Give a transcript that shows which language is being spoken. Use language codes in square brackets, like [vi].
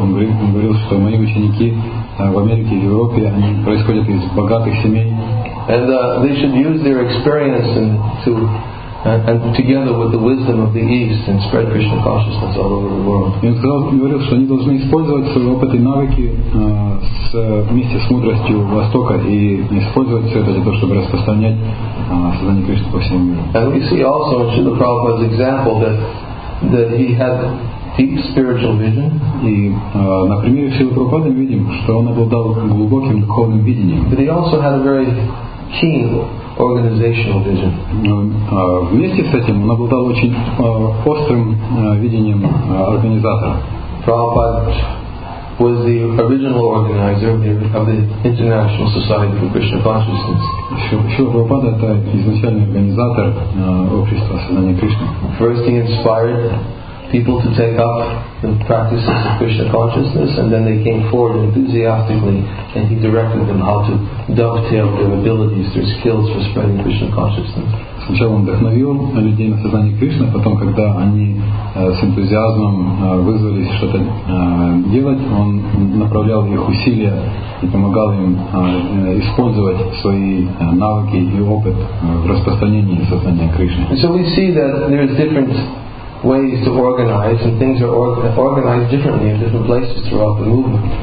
[ru] Он говорил, что мои ученики в Америке и в Европе они происходят из богатых семей. [en] And they should use their experience and together with the wisdom of the East and spread Krishna consciousness all over the world. [ru] И он говорил, что они должны использовать свой опыт и навыки вместе с мудростью Востока и использовать все это для того, чтобы распространять сознание Кришны по всему миру. [en] And we see also in Srila Prabhupada's example that he had deep spiritual vision. [ru] И на примере Шрилы Прабхупады мы видим, что он обладал глубоким духовным видением. [en] But he also had a very keen organizational vision. [ru] Вместе с этим он обладал очень острым видением организатора. [en] Prabhupada was the original organizer of the International Society for Krishna Consciousness. [ru] Шрила Прабхупада это изначальный организатор общества сознания Кришны. [en] First he inspired people to take up the practices of Krishna consciousness, and then they came forward enthusiastically, and he directed them how to dovetail their abilities, their skills for spreading Krishna consciousness. [ru] Сначала он вдохновил людей на сознание Кришны, потом, когда они с энтузиазмом вызвались что-то делать, он направлял их усилия и помогал им использовать свои навыки и опыт в распространении сознания Кришны. [en] So we see that there is different ways to organize, and things are organized differently in different places throughout the movement.